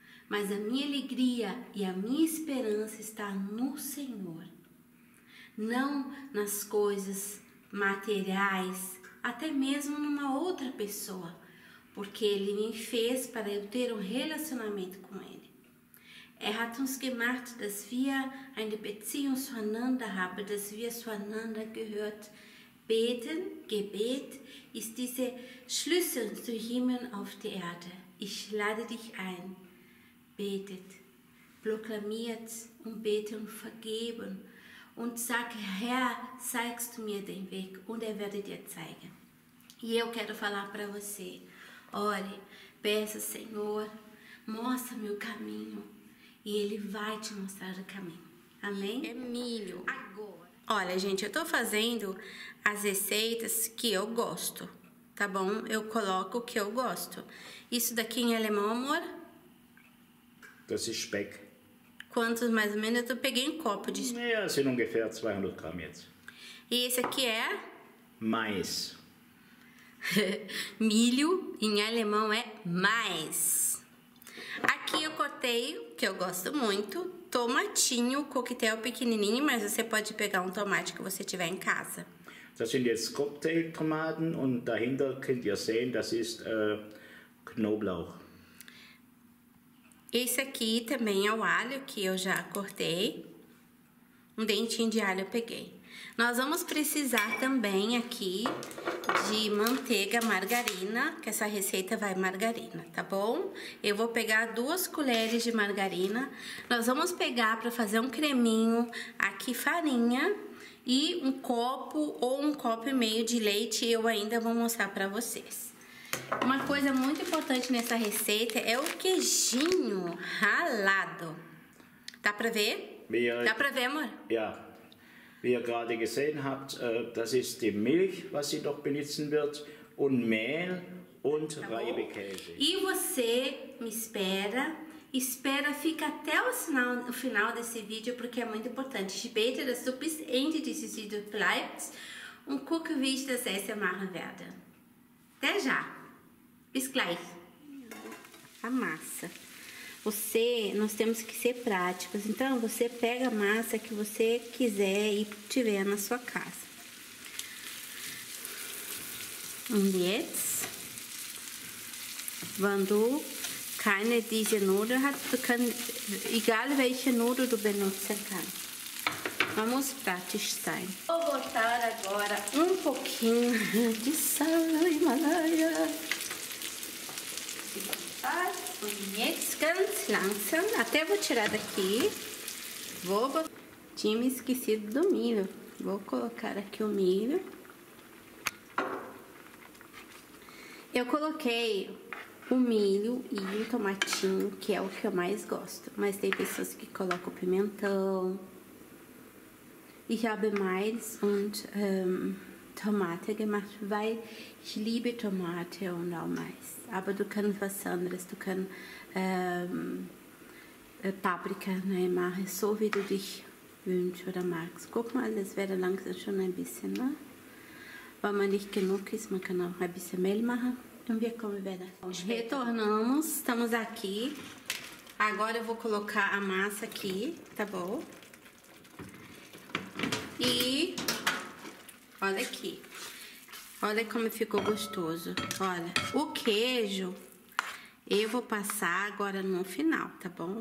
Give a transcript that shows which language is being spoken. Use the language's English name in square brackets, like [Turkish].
[Portuguese] Mas a minha alegria e a minha esperança está no Senhor. Não nas coisas materiais, até mesmo numa outra pessoa, porque Ele me fez para eu ter um relacionamento com Ele. [German] Er hat uns gemacht, dass wir eine Beziehung zueinander haben, dass wir zueinander gehört. Beten, Gebet, ist dieser Schlüssel zu Himmel auf der Erde. Ich lade dich ein, betet, proklamiert und betet und vergeben. Und sag, Herr, zeigst du mir den Weg, und er werde dir zeigen. [Portuguese] E eu quero falar para você, ore, peça, Senhor, mostra-me o caminho, e Ele vai te mostrar o caminho. Amém? É milho. Agora. Olha, gente, eu tô fazendo as receitas que eu gosto, tá bom? Eu coloco o que eu gosto. Isso daqui em alemão, amor? [German] Das ist Speck. [Portuguese] Quantos mais ou menos? Eu peguei um copo de... É, assim, [German] ungefähr 200 Gramm jetzt. [Portuguese] E esse aqui é? [German] Mais. [Portuguese] Milho em alemão é mais. Aqui eu cortei, que eu gosto muito, tomatinho, coquetel pequenininho, mas você pode pegar um tomate que você tiver em casa. [German] Das sind jetzt Cocktailtomaten und dahinter könnt ihr sehen, das ist Knoblauch. [Portuguese] Esse aqui também é o alho que eu já cortei. Um dentinho de alho eu peguei. Nós vamos precisar também aqui de manteiga margarina, que essa receita vai margarina, tá bom? Eu vou pegar 2 colheres de margarina. Nós vamos pegar para fazer um creminho aqui farinha e um copo ou um copo e meio de leite. Eu ainda vou mostrar para vocês. Uma coisa muito importante nessa receita é o queijinho ralado. Dá para ver? Dá para ver, amor? [English] Yeah. [German] Wie ihr gerade gesehen habt, das ist die Milch, was sie noch benutzen wird, und Mehl und Reibekäse. [Portuguese] E você me espera, fica até o final desse vídeo, porque é muito importante. [German] Später, dass du bis Ende dieses Videos bleibst und guck, wie ich das Essen machen werde. [Portuguese] Até já. [German] Bis gleich. [Portuguese] A massa. Você, nós temos que ser práticos, então você pega a massa que você quiser e tiver na sua casa. [German] Und jetzt, wenn du keine diese Nudel hast, du kannst, egal welche Nudel du benutzen kannst. [Portuguese] Vamos praticar. Vou botar agora um pouquinho de sal e malaya. [German] Und jetzt ganz langsam, [Portuguese] até vou tirar daqui, tinha me esquecido do milho, vou colocar aqui o milho. Eu coloquei o milho e o tomatinho, que é o que eu mais gosto, mas tem pessoas que colocam pimentão, [German] ich habe mais und Tomate gemacht, weil ich liebe Tomate und auch Mais. Aber du kannst was anderes, du kannst Paprika, ne, machen, so wie du dich wünschst oder magst. Guck mal, das wäre langsam schon ein bisschen, ne? Wenn man nicht genug ist, man kann auch ein bisschen Mehl machen. Und wir kommen wieder. [Portuguese] Retornamos, estamos aqui. Agora eu vou colocar a massa aqui, tá bom? E... olha aqui, olha como ficou gostoso, olha, o queijo eu vou passar agora no final, tá bom?